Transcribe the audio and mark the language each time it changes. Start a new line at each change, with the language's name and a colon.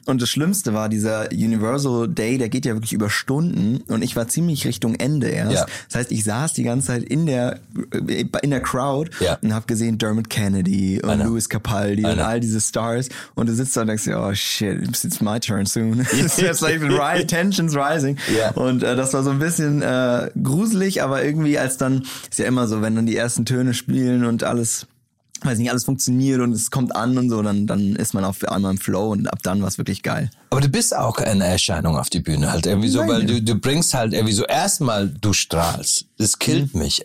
German: Und das Schlimmste war dieser Universal Day, der geht ja wirklich über Stunden und ich war ziemlich Richtung Ende erst. Ja. Das heißt, ich saß die ganze Zeit in der Crowd und habe gesehen Dermot Kennedy und Louis Capaldi und all diese Stars und du sitzt da und denkst,
English: oh shit, it's my turn soon. It's like tensions rising. Ja.
German: Und das war so ein bisschen gruselig, aber irgendwie als dann, ist ja immer so, wenn dann die ersten Töne spielen und alles, weiß nicht, alles funktioniert und es kommt an und so, dann ist man auf einmal im Flow und ab dann war es wirklich geil. Aber du bist auch eine Erscheinung auf die Bühne halt irgendwie so, weil du bringst halt irgendwie so, erstmal du strahlst, das killt mich.